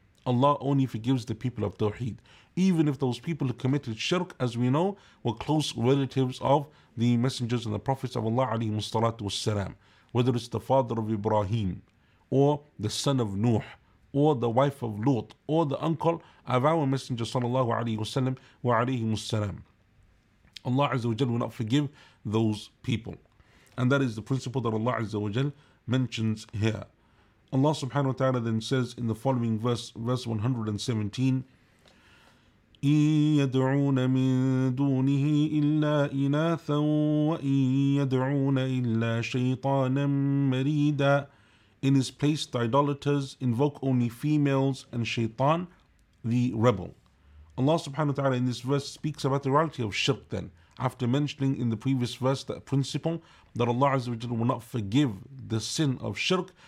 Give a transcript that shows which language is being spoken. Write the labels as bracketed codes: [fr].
[en] Allah only forgives the people of tawheed, even if those people who committed shirk, as we know, were close relatives of the messengers and the prophets of Allah alayhi salatu wassalam, whether it's the father of Ibrahim or the son of Nuh or the wife of Lut or the uncle of our messenger sallallahu alayhi wasallam wa alayhi salam. Allah azza wa jal will not forgive those people. And that is the principle that Allah azza wa jal mentions here. Allah subhanahu wa ta'ala then says in the following verse 117, [ar] إِن يَدْعُونَ مِن دُونِهِ إِلَّا إِنَاثًا وَإِن يَدْعُونَ إِلَّا شَيْطَانًا مَرِيدًا. [en] In his place the idolaters invoke only females and shaitan, the rebel. Allah subhanahu wa ta'ala in this verse speaks about the reality of shirk then, after mentioning in the previous verse that principle that Allah Azza wa Jalla will not forgive the sin of shirk.